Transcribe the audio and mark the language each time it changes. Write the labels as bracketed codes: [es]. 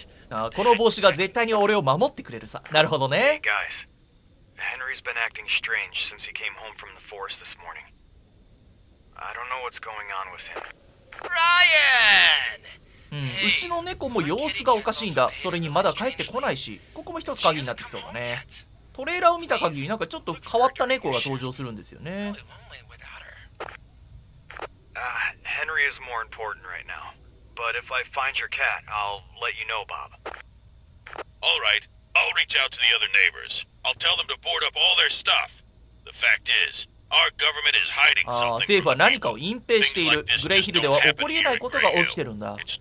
[ja] ああ、この帽子が絶対に俺を守ってくれるさ。なるほどね。 [en] Henry's been acting strange since he came home from the forest this morning. I don't know what's going on with him. Ryan! [ja] うちの猫も様子がおかしいんだ。それにまだ帰ってこないし、ここも一つ鍵になってきそうだね。トレーラーを見た限り、なんかちょっと変わった猫が登場するんですよね。 [en] Henry is more important right now. But if I find your cat, I'll let you know, Bob. All right. I'll reach out to the other neighbors. I'll tell them to board up all their stuff. The fact is, our government is hiding something from [ja] people. 政府は何かを隠蔽している。グレイヒルでは起こり得ないことが起きてるんだ。